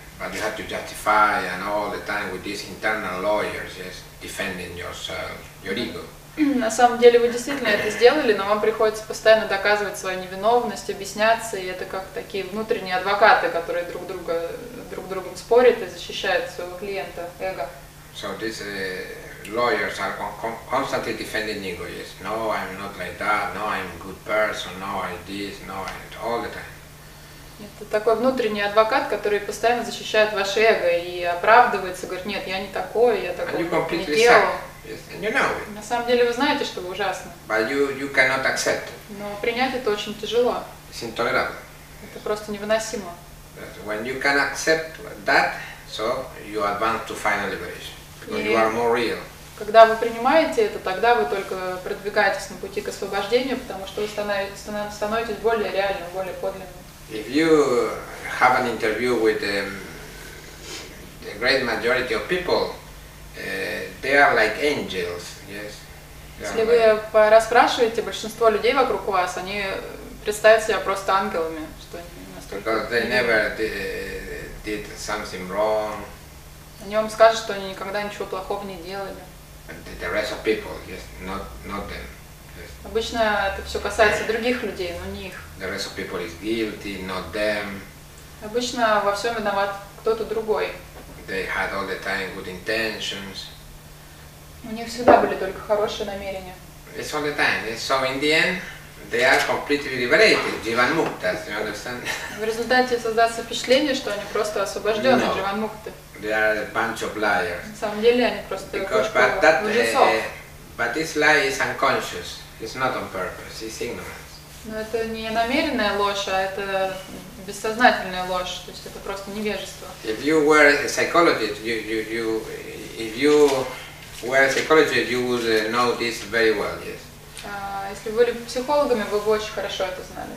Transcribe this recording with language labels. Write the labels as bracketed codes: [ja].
[en] But you have to justify and all the time with these internal lawyers, yes, defending yourself, your ego. [ru] На самом деле вы действительно это сделали, но вам приходится постоянно доказывать свою невиновность, объясняться, и это как такие внутренние адвокаты, которые друг другом спорят и защищают своего клиента, эго. [en] So these lawyers are constantly defending ego, yes. No, I'm not like that, no, I'm a good person, no, I this, no, and all the time. [ru] Это такой внутренний адвокат, который постоянно защищает ваше эго и оправдывается, говорит, нет, я не такой, я такого не делал. [en] Yes, and you know it. [ru] На самом деле вы знаете, что вы ужасны. [en] But you cannot accept it. [ru] Но принять это очень тяжело. [en] It's intolerable. [ru] Это просто невыносимо. [en] When you can accept that, so you advance to final liberation, because you are more real. [ru] Когда вы принимаете это, тогда вы только продвигаетесь на пути к освобождению, потому что вы становитесь более реальным, более подлинным. [en] If you have an interview with the great majority of people, they are like angels, yes. [ru] Если вы расспрашиваете большинство людей вокруг вас, они представят себя просто ангелами, что они настолько. [en] Because they never did something wrong. [ru] Они вам скажут, что они никогда ничего плохого не делали. [en] And the rest of people, yes, not them. [ru] Обычно это все касается других людей, но не их. [en] The rest of people is guilty, not them. [ru] Обычно во всем виноват кто-то другой. [en] They had all the time good intentions. [ru] У них всегда были только хорошие намерения. [en] It's all the time. So in the end, they are completely liberated. Jivan Mukta, you understand? [ru] В результате создается впечатление, что они просто освобождены, Jivan Mukta. [en] They are a bunch of liars. [ru] На самом деле они просто кучка лжецов. [en] But this lie is unconscious. It's not on purpose. It's ignorance. [ru] Но это не намеренная ложь, а это бессознательная ложь. То есть это просто невежество. [en] If you were a psychologist, you if you were a psychologist, you would know this very well, yes. [ru] Если вы были психологами, вы бы очень хорошо это знали.